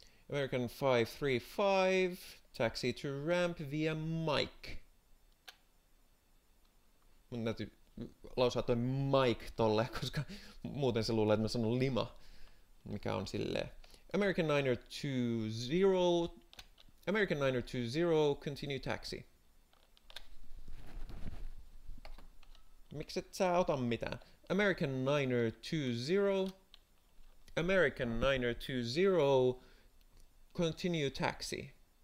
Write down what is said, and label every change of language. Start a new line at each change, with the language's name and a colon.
English: American 535, taxi to ramp via Mike.
Finnish: Mun täytyy lausaa toi Mike tolle, koska muuten se luulee, että mä sanon lima, mikä on silleen.
English: American 920, American 920, continue taxi.
Finnish: Mikset sä ota mitään?
English: American 920, American 920, continue taxi.